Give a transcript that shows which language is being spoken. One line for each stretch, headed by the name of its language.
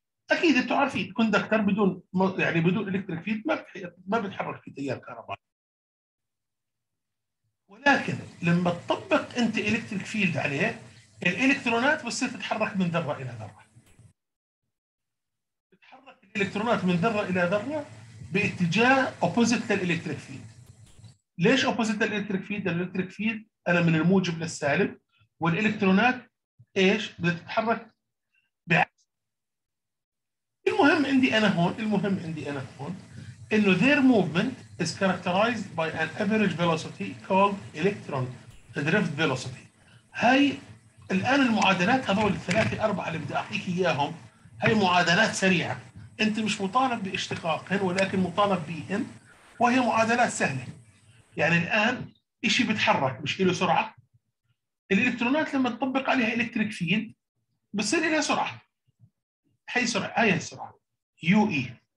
Arabic: أكيد أنتوا عارفين كوندكتر بدون يعني بدون إلكتريك فيلد ما بتحرك في تيار كهربائي، ولكن لما تطبق أنت إلكتريك فيلد عليه الإلكترونات بتصير تتحرك من ذرة إلى ذرة، تتحرك الإلكترونات من ذرة إلى ذرة باتجاه أوبوزيت للإلكتريك فيلد. ليش أوبوزيت للإلكتريك فيلد؟ الإلكتريك فيلد أنا من الموجب للسالب، والإلكترونات إيش بتتحرك. المهم عندي أنا هون، المهم عندي أنا هون إنه
English: their movement is characterized by an average velocity called electron drift velocity.
Arabic: هاي الآن المعادلات هذول الثلاثة أربعة اللي بدي أعطيك إياهم هاي معادلات سريعة، أنت مش مطالب باشتقاقهن ولكن مطالب بهن، وهي معادلات سهلة. يعني الآن إشي بتحرك مش له سرعة، الإلكترونات لما تطبق عليها إلكتريك فيلد بصير لها سرعة، هاي سرعة، هاي السرعة يو اي.